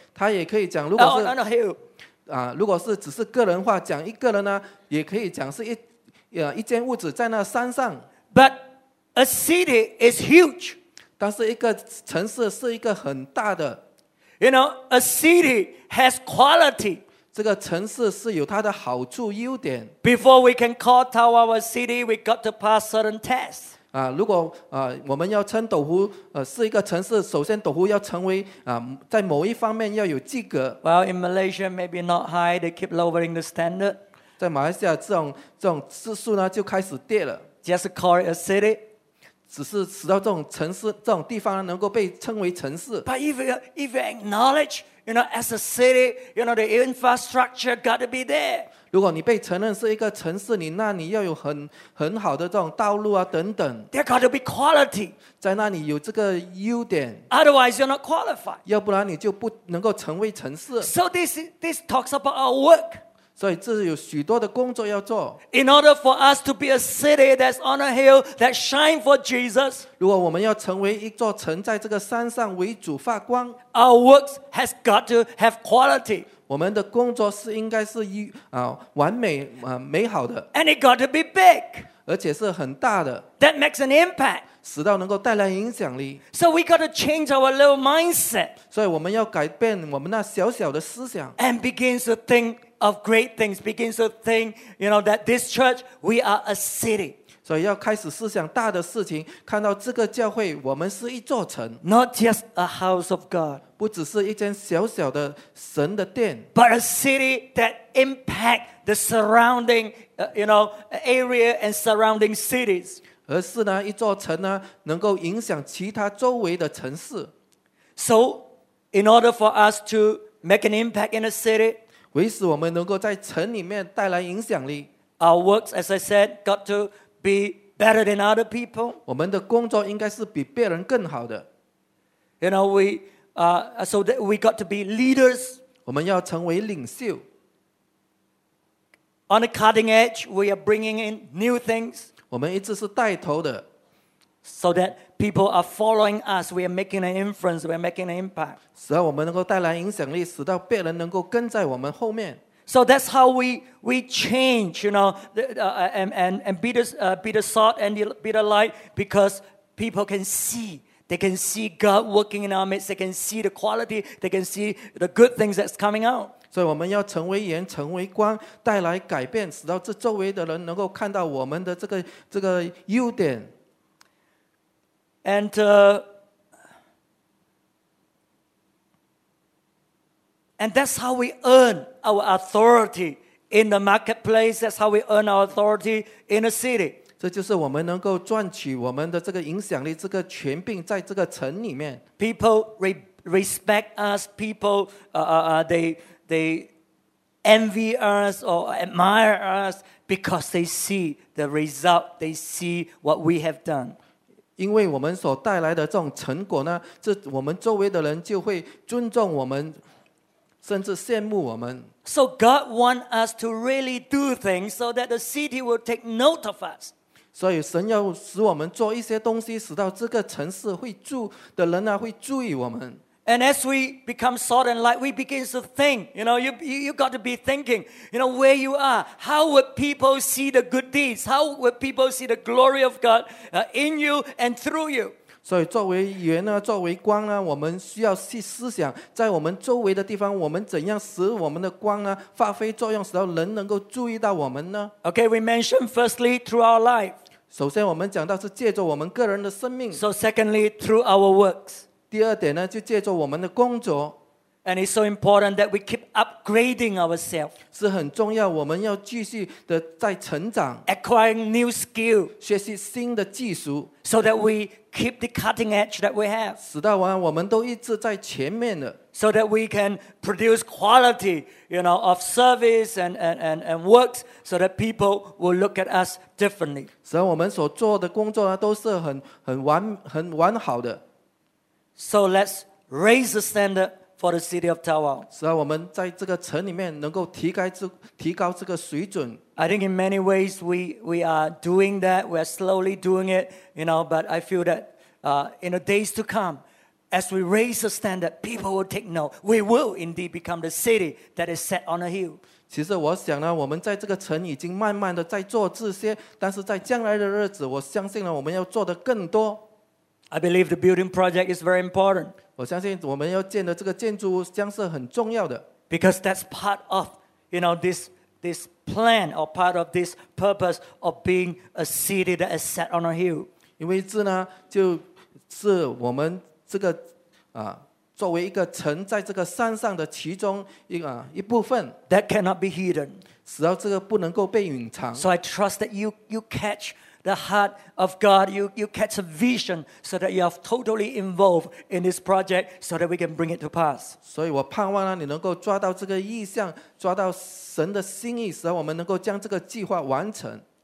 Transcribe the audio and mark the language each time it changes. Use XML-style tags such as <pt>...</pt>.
<zh>他也可以讲，如果是</zh> <en>on a hill.</en> <zh>如果是只是个人话讲一个人呢，也可以讲是一间屋子在那山上。</zh> <en>But a city is huge.</en> <zh>但是一个城市是一个很大的。</zh> <en>You know, a city has quality.</en> <zh>这个城市是有它的好处优点。</zh> <en>Before we can call Tawawa City, we got to pass certain tests.</en> <zh>啊，如果啊，我们要称斗湖是一个城市，首先斗湖要成为啊，在某一方面要有及格。</zh> <en>Well, in Malaysia, maybe not high. They keep lowering the standard.</en> <zh>在马来西亚，这种指数呢就开始跌了。</zh> <en>Just call it a city.</en> <zh>只是使到这种城市这种地方能够被称为城市。</zh> <en>But if you acknowledge, you know, as a city, you know, the infrastructure got to be there.</en> <zh>如果你被承认是一个城市，你那里要有很好的这种道路啊等等。</zh> <en>There got to be quality.</en> <zh>在那里有这个优点。</zh> <en>Otherwise, you're not qualified.</en> <zh>要不然你就不能够成为城市。</zh> <en>So this talks about our work.</en> <zh>所以这有许多的工作要做。</zh> <en>In order for us to be a city that's on a hill that shine for Jesus,</en> <zh>如果我们要成为一座城，在这个山上为主发光</zh> <en>，our works has got to have quality.</en> <zh>我们的工作是应该是完美美好的。</zh> <en>And it got to be big.</en> <zh>而且是很大的。</zh> <en>That makes an impact.</en> <zh>使到能够带来影响力。</zh> <en>So we got to change our little mindset.</en> <zh>所以我们要改变我们那小小的思想。</zh> <en>And begin to think of great things. Begin to think, you know, that this church, we are a city.</en> <zh>所以要开始思想大的事情，看到这个教会，我们是一座城。</zh> <en>Not just a house of God.</en> <zh>不只是一间小小的神的殿。</zh> <en>But a city that impacts the surrounding, you know, area and surrounding cities.</en> <zh>而是呢，一座城呢，能够影响其他周围的城市。</zh> <en>So, in order for us to make an impact in a city,</en> <zh>为使我们能够在城里面带来影响力</zh> <en>，our works, as I said, got to be better than other people.</en> <zh>我们的工作应该是比别人更好的。</zh> <en>You know, so that we got to be leaders.</en> <zh>我们要成为领袖。</zh> <en>On the cutting edge, we are bringing in new things.</en> <zh>我们一直是带头的</zh> <en>，so that people are following us. We are making an influence. We are making an impact.</en> <zh>使我们能够带来影响力，使到别人能够跟在我们后面。</zh> <en>So that's how we change, you know, and be the salt and be the light because people can see. They can see God working in our midst. They can see the quality. They can see the good things that's coming out.</en> <zh>所以我们要成为盐，成为光，带来改变，使到这周围的人能够看到我们的这个优点。</zh> <en>And that's how we earn our authority in the marketplace. That's how we earn our authority in a city.</en> <zh>这就是我们能够赚取我们的这个影响力，这个权柄在这个城里面。</zh> <en>People respect us. People, they envy us or admire us because they see the result. They see what we have done.</en> <zh>因为我们所带来的这种成果呢，这我们周围的人就会尊重我们，甚至羡慕我们。</zh> <en>So God wants us to really do things so that the city will take note of us.</en> <zh>所以神要使我们做一些东西，使到这个城市会住的人呢，会注意我们。</zh> <en>And as we become salt and light, we begin to think, you know, you got to be thinking, you know, where you are. How would people see the good deeds? How would people see the glory of God in you and through you?</en> <zh>所以作为盐呢，作为光呢，我们需要去思想，在我们周围的地方，我们怎样使我们的光呢，发挥作用，使到人能够注意到我们呢？</zh> <en>Okay, we mentioned firstly through our life.</en> <zh>首先我们讲到是借着我们个人的生命。</zh> <en>So secondly, through our works.</en> <zh>第二点呢，就借助我们的工作。</zh> <en>And it's so important that we keep upgrading ourselves.</en> <zh>是很重要，我们要继续的在成长。</zh> <en>Acquiring new skill.</en> <zh>学习新的技术。</zh> <en>So that we keep the cutting edge that we have.</en> <zh>使到我们都一直在前面的。</zh> <en>So that we can produce quality, you know, of service and works so that people will look at us differently.</en> <zh>使我们所做的工作呢，都是很完好的。</zh> <en>So let's raise the standard for the city of Tawau.</en> <zh>使我们在这个城里面能够提高这个水准。</zh> <en>I think in many ways we are doing that. We are slowly doing it, you know. But I feel that in the days to come, as we raise the standard, people will take note. We will indeed become the city that is set on a hill.</en> <zh>其实我想呢，我们在这个城已经慢慢的在做这些，但是在将来的日子，我相信呢，我们要做的更多。</zh> <en>I believe the building project is very important.</en> <zh>我相信我们要建的这个建筑将是很重要的。</zh> <en>Because that's part of you know, this plan or part of this purpose of being a city that is set on a hill.</en> <zh>因为这呢，就是我们这个啊，作为一个城在这个山上的其中一部分。</zh> <en>That cannot be hidden.</en> <zh>使到这个不能够被隐藏。</zh> <en>So I trust that you catch the heart of God. You catch a vision so that you are totally involved in this project so that we can bring it to pass.</en> <zh>所以我盼望呢，你能够抓到这个意象，抓到神的心意，使我们能够将这个计划完成。</zh>